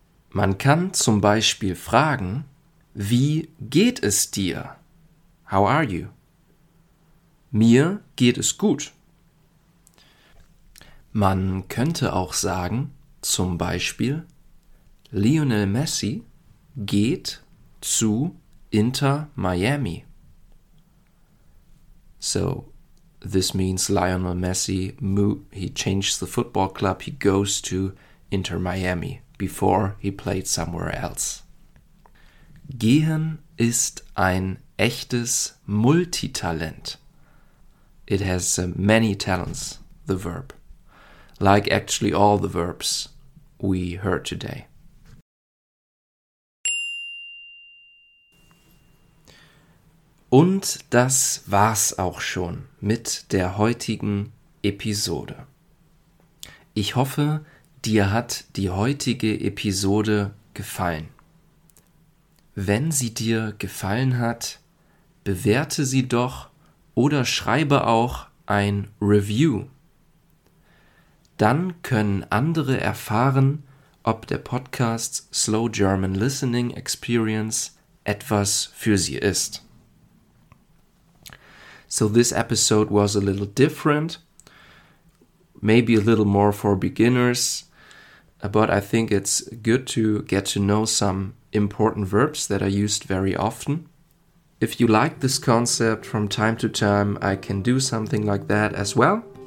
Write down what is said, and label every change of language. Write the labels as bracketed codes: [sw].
[de] Man kann zum Beispiel fragen, wie geht es dir? [en] How are you? [de] Mir geht es gut. Man könnte auch sagen, zum Beispiel, Lionel Messi geht zu Inter Miami. [en] So, this means Lionel Messi, he changed the football club, he goes to Inter Miami before he played somewhere else. [de] Gehen ist ein echtes Multitalent. [en] It has many talents, the verb. Like actually all the verbs we heard today. [de] Und das war's auch schon mit der heutigen Episode. Ich hoffe, dir hat die heutige Episode gefallen. Wenn sie dir gefallen hat, bewerte sie doch oder schreibe auch ein Review. Dann können andere erfahren, ob der Podcast Slow German Listening Experience etwas für sie ist. [en] So this episode was a little different, maybe a little more for beginners, but I think it's good to get to know some important verbs that are used very often. If you like this concept from time to time, I can do something like that as well.